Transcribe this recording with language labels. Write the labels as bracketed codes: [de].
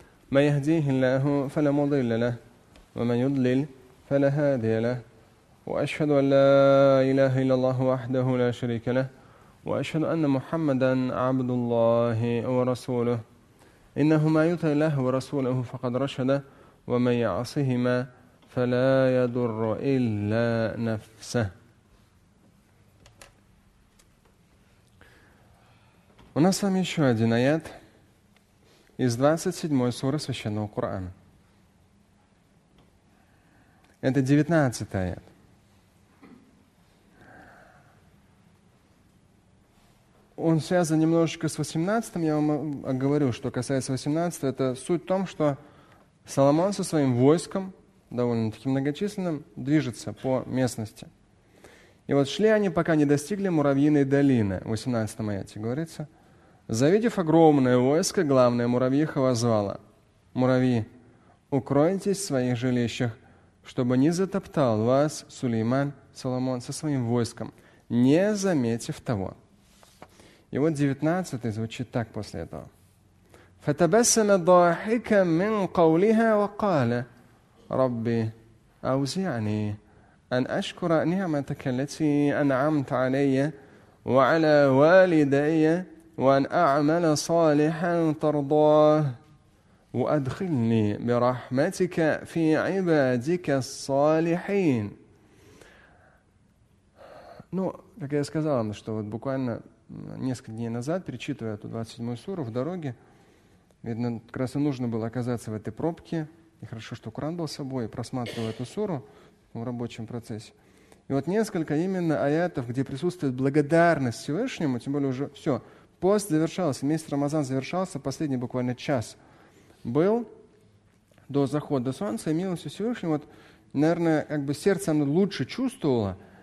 [ar] ما يهديه الله فلا مضل له ومن يضلل فلا هادي له وأشهد أن لا إله إلا الله وحده لا شريك له وأشهد أن محمدا عبد الله ورسوله إنه ما يطع الله ورسوله فقد رشد ومن يعصهما فلا يضر إلا نفسه. [ru] У нас с вами еще один аят из 27-й суры Священного Корана. Это 19-й аят. Он связан немножечко с 18-м. Я вам говорю, что касается 18-го, это суть в том, что Соломон со своим войском довольно-таки многочисленным, движется по местности. И вот шли они, пока не достигли муравьиной долины, в 18-м аяте говорится. Завидев огромное войско, главная муравьиха возвала: «Муравьи, укройтесь в своих жилищах, чтобы не затоптал вас Сулейман, Соломон, со своим войском, не заметив того». И вот 19-й звучит так после этого. [ar] «Фатабассама дахика мин каулиха ва каля». ربي أوزعني أن أشكر نعمتك التي أنعمت علي وعلى والدي وأن أعمل صالحا ترضاه وأدخلني برحمتك في عبادك الصالحين. [ru] Ну, как я сказал, что вот буквально несколько дней назад, перечитывая эту 27-ю суру в дороге, видно, как раз и нужно было оказаться в этой пробке. И хорошо, что Коран был с собой, просматривал эту суру в рабочем процессе. И вот несколько именно аятов, где присутствует благодарность Всевышнему, тем более уже все, пост завершался, месяц Рамазан завершался, последний буквально час был до захода солнца, и милостью Всевышнего, вот, наверное, как бы сердце оно лучше чувствовало.